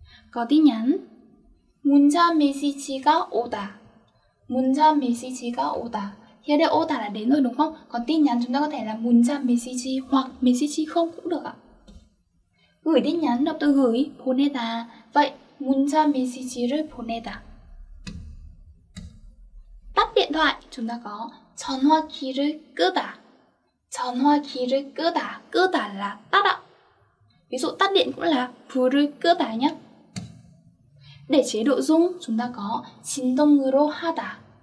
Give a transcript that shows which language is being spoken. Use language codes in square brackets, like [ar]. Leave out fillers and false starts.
[vi] Có tin nhắn [ko] 문자 메시지가 오다. 문자 메시지가 오다. [vi] Hiện đây 오다 là đến rồi đúng không? Còn tin nhắn chúng ta có thể là [ko] 문자 메시지 [vi] hoặc 메시지 không cũng được ạ. Gửi tin nhắn, đọc từ gửi 보내다. [ko] Vậy 문자 메시지를 보내다. [vi] Tắt điện thoại chúng ta có [ko] 전화기를 끄다. 전화기를 끄다. 끄다 [vi] là tắt ạ. Ví dụ tắt điện cũng là [ko] 불을 끄다 [vi] nhé. Để chế độ rung chúng ta có [ko] 진동으로 하다.